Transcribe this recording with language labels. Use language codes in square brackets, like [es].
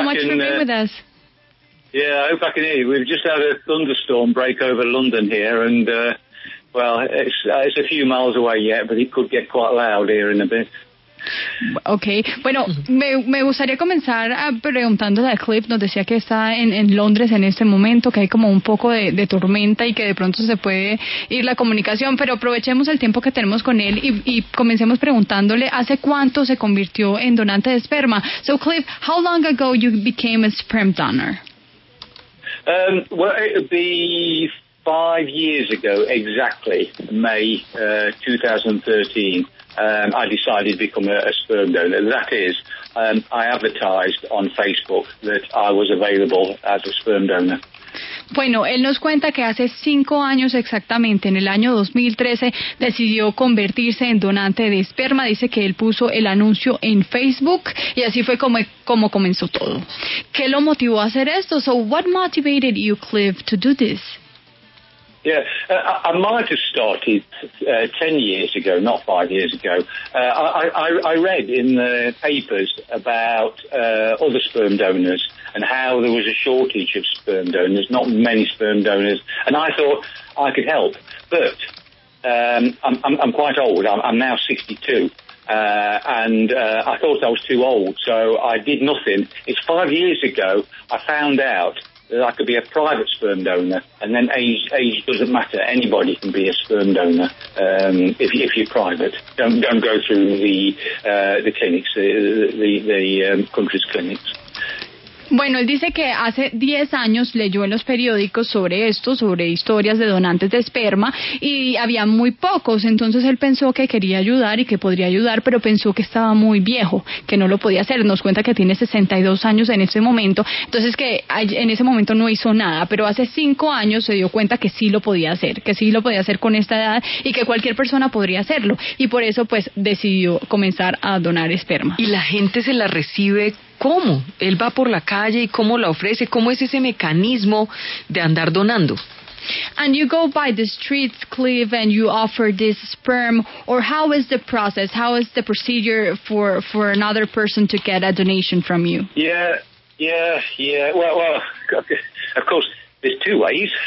[en] Thank you so much for being with us. Yeah, I hope I can hear you. We've just had a thunderstorm break over London here, and it's a few miles away yet, but it could get quite loud here in a bit. [es] Okay. Bueno, me gustaría comenzar preguntando a Cliff. Nos decía que está en Londres en este momento, que hay como un poco de tormenta y que de pronto se puede ir la comunicación, pero aprovechemos el tiempo que tenemos con él y comencemos preguntándole, ¿hace cuánto se convirtió en donante de esperma? [en] So Cliff, how long ago you became a sperm donor? Well, it would be 5 years ago exactly, May 2013. I decided to become a sperm donor. That is, I advertised on Facebook that I was available as a sperm donor. [es] Bueno, él nos cuenta que hace 5 años exactamente, en el año 2013, decidió convertirse en donante de esperma. Dice que él puso el anuncio en Facebook y así fue como comenzó todo. ¿Qué lo motivó a hacer esto? [en] So, what motivated you, Cliff, to do this? Yeah, I might have started 10 years ago, not 5 years ago. I read in the papers about other sperm donors and how there was a shortage of sperm donors, not many sperm donors, and I thought I could help. But I'm quite old. I'm now 62, and I thought I was too old, so I did nothing. It's 5 years ago I found out that I could be a private sperm donor, and then age doesn't matter. Anybody can be a sperm donor if you're private. Don't go through the clinics, the country's clinics. [es] Bueno, él dice que hace 10 años leyó en los periódicos sobre esto, sobre historias de donantes de esperma, y había muy pocos. Entonces él pensó que quería ayudar y que podría ayudar, pero pensó que estaba muy viejo, que no lo podía hacer. Nos cuenta que tiene 62 años en ese momento, entonces que en ese momento no hizo nada, pero hace 5 años se dio cuenta que sí lo podía hacer, que sí lo podía hacer con esta edad y que cualquier persona podría hacerlo. Y por eso pues decidió comenzar a donar esperma. ¿Y la gente se la recibe? ¿Cómo? ¿Él va por la calle y cómo la ofrece? ¿Cómo es ese mecanismo de andar donando? [en] And you go by the streets, Cliff, and you offer this sperm, or how is the process? How is the procedure for another person to get a donation from you? Yeah. Well, of course, there's two ways.